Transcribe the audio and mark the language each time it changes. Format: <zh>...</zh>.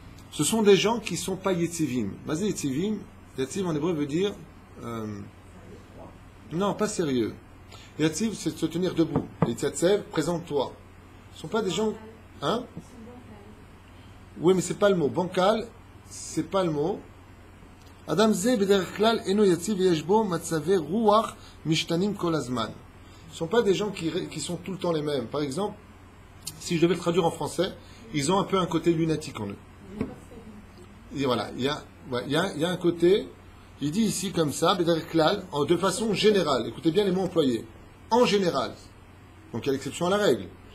<fr>Ce sont des gens qui ne sont pas Yatsivim. Basé Yatsivim, Yatsiv en hébreu veut dire... Non, pas sérieux. Yatsiv, c'est de se tenir debout. Yatsiv, présente-toi. Ce ne sont pas des gens... Hein? Oui, mais ce n'est pas le mot. Bancal... C'est pas le mot.</fr> <he>אדם זה בדרך כלל אינו יציב ויש בו מצבי רוח משתנים כל הזמן.</he> <fr>Ce sont pas des gens qui sont tout le temps les mêmes. Par exemple, si je devais le traduire en français, ils ont un peu un côté lunatique en eux. Et voilà, il y a un côté, il dit ici comme ça, de façon générale, écoutez bien les mots employés, en général, donc il y a l'exception à la règle.</fr>